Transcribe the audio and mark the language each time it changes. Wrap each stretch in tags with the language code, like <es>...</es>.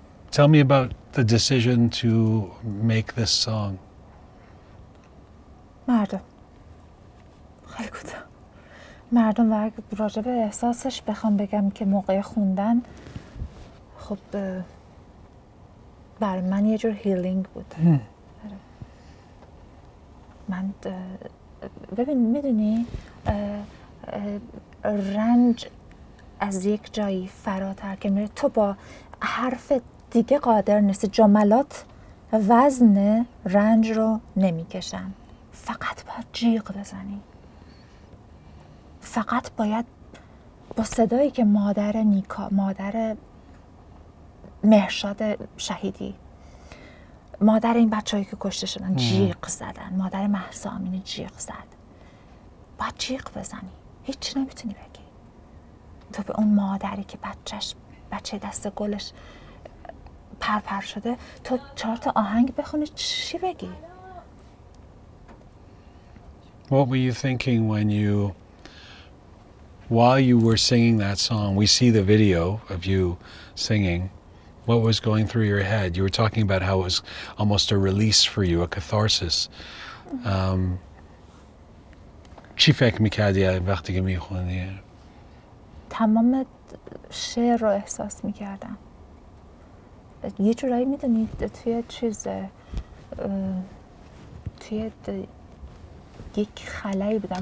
<en>Tell me about the decision to make this song.</en> <fa>مردم خیلی کوتاه. مردم و راجع به احساسش بخوام بگم که موقع خوندن خب بر من یه جور هیلینگ بود. من ببین میدونی رنج از یک جایی فراتر که میره، تو با حرف دیگه قادر نیست، جملات وزن رنج رو نمیکشن، فقط باید جیغ بزنی، فقط باید با صدایی که مادر نیکا، مادر مهرشاد شهیدی، مادر این بچه‌هایی که کشته شدن جیغ زدن، مادر مهسا امینی جیغ زد، باید جیغ بزنی، هیچ چی نمیتونی بگی. تو به اون مادری که بچه دست گلش پرپر شده، تو 4 تا آهنگ بخونی چی بگی؟</fa> <en>What were you thinking when you, while you were singing that song, we see the video of you singing, what was going through your head? You were talking about how it was almost a release for you, a catharsis.</en> <fa>چی فکر میکردی وقتی که میخونی؟ تمام شعر رو احساس میکردم. یه جورایی میدونی توی چیز توی یک خلایی بودم.</fa>